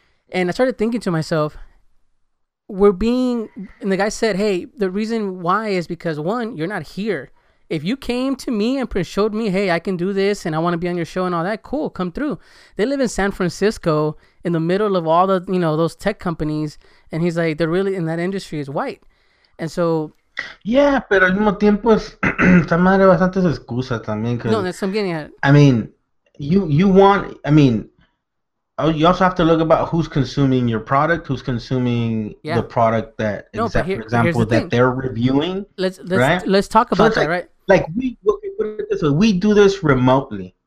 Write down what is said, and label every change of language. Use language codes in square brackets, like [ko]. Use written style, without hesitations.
[en] And I started thinking to myself, we're being, and the guy said, hey, the reason why is because, one, you're not here. If you came to me and showed me, hey, I can do this and I want to be on your show and all that, cool, come through. They live in San Francisco in the middle of all the, you know, those tech companies. And he's like, they're really in that industry is white. And so... [es] Yeah, pero al mismo tiempo es esta madre bastantes excusas también. [en] No, that's I'm getting at. I mean, you want, I mean, you also have to look about who's consuming your product, who's consuming yeah. the product that, no, except, here, for example, the that thing. They're reviewing. Let's right? let's talk about so that, right? Like, we do this remotely.